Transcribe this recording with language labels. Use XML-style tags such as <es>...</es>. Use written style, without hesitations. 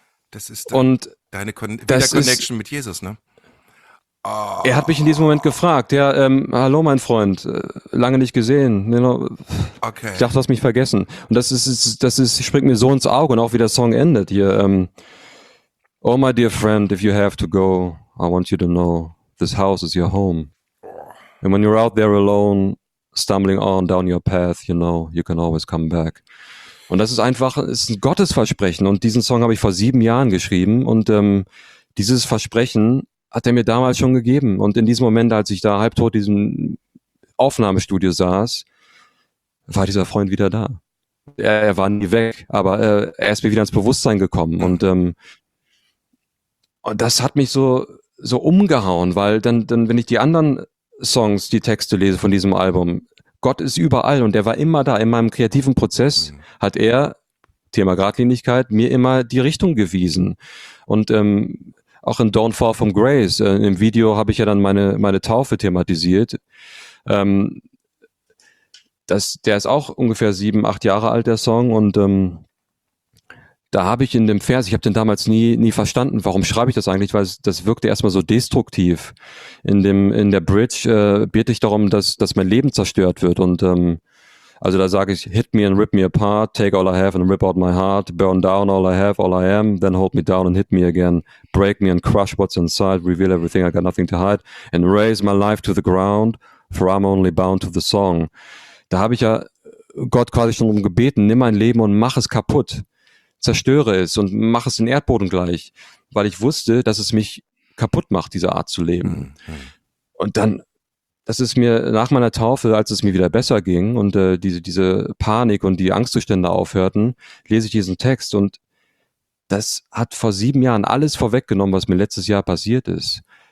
<de>Das ist deine Connection mit Jesus, ne? Oh. Er hat mich in diesem Moment gefragt, ja, hallo mein Freund, lange nicht gesehen. Okay. Ich dachte, du hast mich vergessen. Und das springt mir so ins Auge und auch wie der Song endet hier.</de> <en>Oh my dear friend, if you have to go, I want you to know, this house is your home. And when you're out there alone, stumbling on down your path, you know, you can always come back.</en> <de>Und das ist einfach, ist ein Gottesversprechen. Und diesen Song habe ich vor 7 Jahren geschrieben. Und dieses Versprechen hat er mir damals schon gegeben. Und in diesem Moment, als ich da halbtot in diesem Aufnahmestudio saß, war dieser Freund wieder da. Er war nie weg, aber er ist mir wieder ins Bewusstsein gekommen. Und das hat mich so umgehauen, weil dann wenn ich die anderen Songs, die Texte lese von diesem Album. Gott ist überall und er war immer da. In meinem kreativen Prozess hat er, Thema Gradlinigkeit, mir immer die Richtung gewiesen. Und auch in Don't Fall from Grace, im Video habe ich ja dann meine Taufe thematisiert. Der ist auch ungefähr 7-8 Jahre alt, der Song. Und da habe ich in dem Vers, ich habe den damals nie verstanden, warum schreibe ich das eigentlich, weil das wirkte erstmal so destruktiv. In der Bridge bete ich darum, dass mein Leben zerstört wird. Und also da sage ich,</de> <en>hit me and rip me apart, take all I have and rip out my heart, burn down all I have, all I am, then hold me down and hit me again, break me and crush what's inside, reveal everything, I got nothing to hide, and raise my life to the ground, for I'm only bound to the song.</en> <de>Da habe ich ja Gott quasi schon um gebeten, nimm mein Leben und mach es kaputt. Zerstöre es und mache es den Erdboden gleich, weil ich wusste, dass es mich kaputt macht, diese Art zu leben. Und dann das ist mir nach meiner Taufe, als es mir wieder besser ging und diese Panik und die Angstzustände aufhörten, lese ich diesen Text und das hat vor 7 Jahren alles vorweggenommen, was mir letztes Jahr passiert ist.</de>